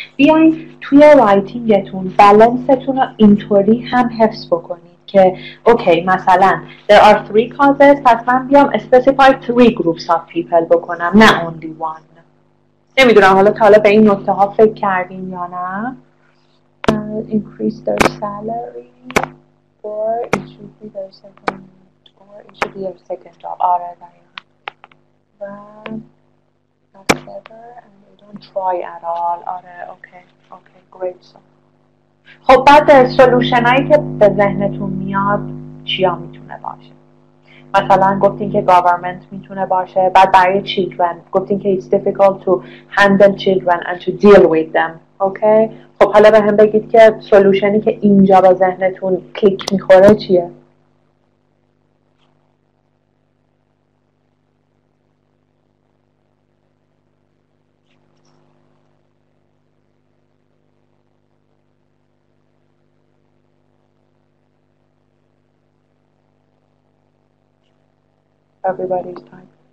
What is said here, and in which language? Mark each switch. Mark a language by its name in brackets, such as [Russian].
[Persian] بیاین توی رایتینگتون بالانستون رو اینطوری هم حفظ بکنید که اوکی مثلا [English] there are three causes [Persian] پس من بیام [English] specify three groups of people [Persian] بکنم نه [English] only one. [Persian] نمیدونم حالا تالا به این نکته ها فکر کردین یا نه. [English] Increase their salary or it should be their second or it should be their second job. [Persian] آره دقیقا. [English] و not ever and they don't try at all. [Persian] آره اوکی اوکی great. So خب بعد سلوشن هایی که به ذهنتون میاد چیا میتونه باشه؟ مثلا گفتین که government میتونه باشه. بعد برای [English] children [Persian] گفتین که [English] it's difficult to handle children and to deal with them. [Persian] اوکی خب حالا به هم بگید که سلوشنی که اینجا با ذهنتون کلیک میخوره چیه؟ [English] Everybody's time.